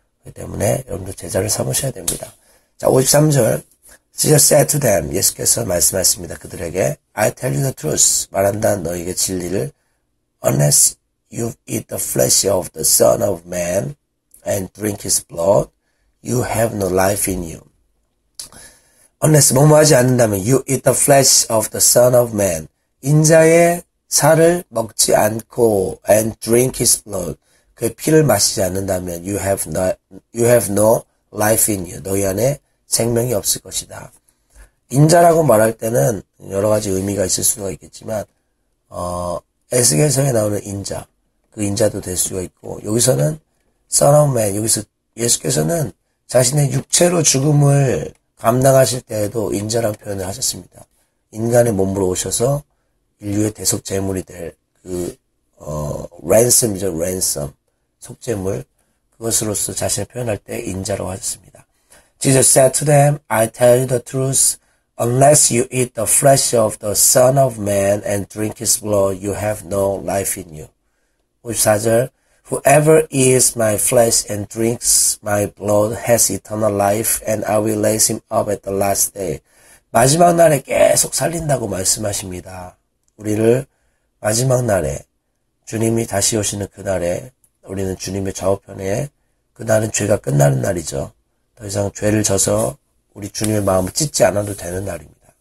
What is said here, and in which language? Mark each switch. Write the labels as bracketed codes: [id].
[ko] 그 때문에 여러분도 제자를 삼으셔야 됩니다. 자, 53절. [en] Jesus said to them, [ko] 예수께서 말씀하십니다. 그들에게, [en] I tell you the truth, [ko] 말한다 너에게 진리를, [en] unless you eat the flesh of the Son of Man and drink his blood, you have no life in you. Unless, [ko] 뭐뭐하지 않는다면, [en] you eat the flesh of the Son of Man, [ko] 인자의 살을 먹지 않고, [en] and drink his blood, [ko] 그 피를 마시지 않는다면, [en] you have no life in you. [ko] 너희 안에 생명이 없을 것이다. 인자라고 말할 때는 여러 가지 의미가 있을 수가 있겠지만, 에스겔서에 나오는 인자, 그 인자도 될 수가 있고, 여기서는 Son of Man, 여기서 예수께서는 자신의 육체로 죽음을 감당하실 때에도 인자란 표현을 하셨습니다. 인간의 몸으로 오셔서 인류의 대속 제물이 될 그, ransom이죠, ransom. 속죄물, 그것으로서 자신을 표현할 때 인자라고 하셨습니다. [en] Jesus said to them, I tell you the truth, unless you eat the flesh of the Son of Man and drink his blood, you have no life in you. 54절, Whoever eats my flesh and drinks my blood has eternal life, and I will raise him up at the last day. [ko] 마지막 날에 계속 살린다고 말씀하십니다. 우리를 마지막 날에, 주님이 다시 오시는 그날에, 우리는 주님의 좌우편에, 그날은 죄가 끝나는 날이죠. 더 이상 죄를 져서 우리 주님의 마음을 찢지 않아도 되는 날입니다.